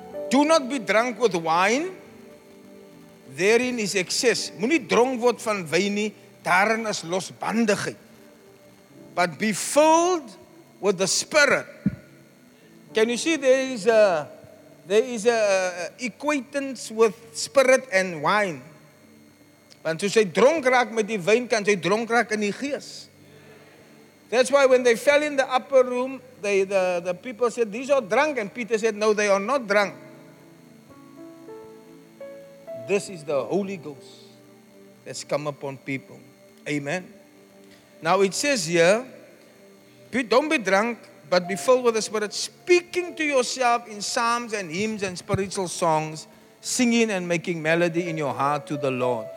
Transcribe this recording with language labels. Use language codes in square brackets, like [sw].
[en] Do not be drunk with wine. Therein is excess. [af] Moenie dronk word van wyn nie. Daarin is losbandigheid. [en] But be filled with the Spirit. Can you see there is a equatance with spirit and wine? [af] Want to say dronk raak met die wyn, kan jy dronk raak in die gees. [en] That's why when they fell in the upper room, the people said, these are drunk. And Peter said, no, they are not drunk. This is the Holy Ghost that's come upon people. Amen. Now it says here, don't be drunk, but be filled with the Spirit, speaking to yourself in psalms and hymns and spiritual songs, singing and making melody in your heart to the Lord.